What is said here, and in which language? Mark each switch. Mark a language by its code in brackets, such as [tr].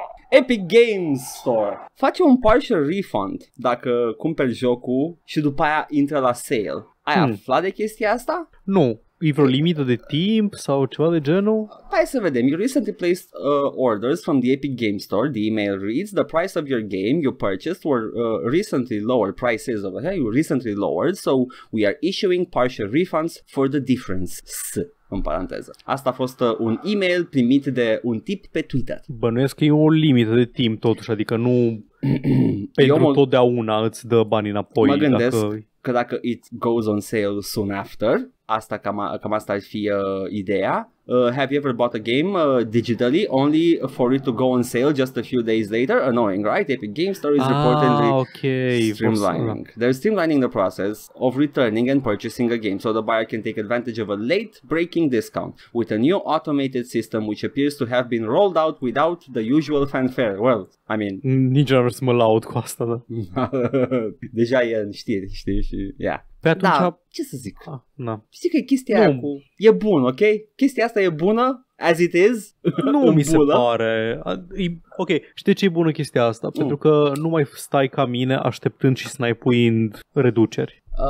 [ro] Epic Games Store face un partial refund dacă cumperi jocul și după aia intră la sale. Ai aflat de chestia asta? Nu. E vreo limită de timp sau ceva de genul? Hai să vedem. [en] You recently placed orders from the Epic Game Store. The email reads, the price of your game you purchased were recently lowered. Prices of you recently lowered, so we are issuing partial refunds for the difference. [ro] S, în paranteză. Asta a fost un email primit de un tip pe Twitter. Bănuiesc că e o limită de timp totuși, adică nu pentru totdeauna îți dă banii înapoi. Mă gândesc că dacă [en] it goes on sale soon after... [ro] Asta cam asta ar fi ideea. [en] Have you ever bought a game digitally only for it to go on sale just a few days later? Annoying, right? Epic Game Store is reportedly streamlining. They're streamlining the process of returning and purchasing a game so the buyer can take advantage of a late-breaking discount with a new automated system which appears to have been rolled out without the usual fanfare. Well, I mean... [ro] Nici nu am să mă laud cu asta, da. Deja e în știri, știi, și... Yeah. Pe atunci... Da, ce să zic? Na. Știi că e chestia aia cu... E bun, ok? Chestia asta e bună, [en] as it is? [ro] Nu mi se pare. Ok, știi ce e bună chestia asta? Pentru că nu mai stai ca mine așteptând și snipuind reduceri.